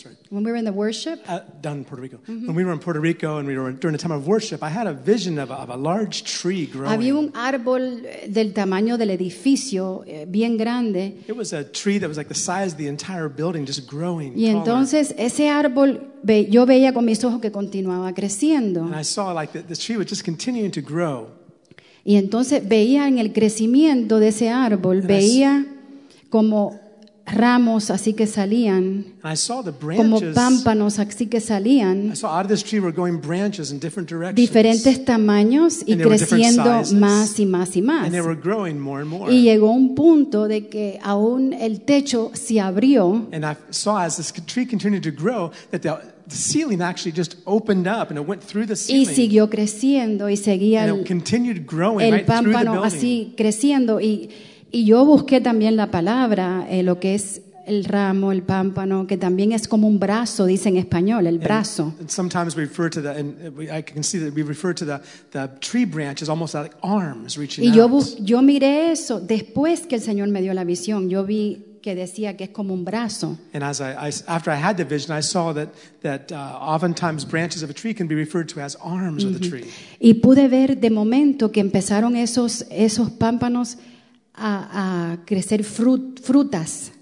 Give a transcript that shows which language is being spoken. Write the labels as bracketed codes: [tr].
[en] When we were in the worship, down in Puerto Rico. Mm-hmm. When we were in Puerto Rico and we were during the time of worship, I had a vision of a large tree growing. [es] Había un árbol del tamaño del edificio, bien grande. [en] It was a tree that was like the size of the entire building, just growing. [es] Y entonces [en] taller. [es] Ese árbol, yo veía con mis ojos que continuaba creciendo. [en] And I saw like the tree was just continuing to grow. [es] Y entonces veía en el crecimiento de ese árbol, [en] and [es] veía como ramos así que salían, [en] I saw the branches, [es] como pámpanos así que salían, [en] I saw out of this tree were going branches in different directions, [es] diferentes tamaños y [en] and [es] creciendo más y más y más. [en] And they were growing more and more. [es] Y llegó un punto de que aún el techo se abrió. [en] And I saw as this tree continued to grow that the ceiling actually just opened up and it went through the ceiling. [es] Y siguió creciendo y seguía [en] and it continued growing [es] el [en] right pámpano through the building. [es] Así creciendo y yo busqué también la palabra, lo que es el ramo, el pámpano, que también es como un brazo, dice en español, el brazo. [en] And sometimes we refer to that, and I can see that we refer to the tree branches almost like arms reaching out. [es] Y yo miré eso después que el Señor me dio la visión. Yo vi que decía que es como un brazo. [en] And as I after I had the vision, I saw that oftentimes branches of a tree can be referred to as arms mm-hmm. of the tree. [es] Y pude ver de momento que empezaron esos pámpanos a crecer frutas.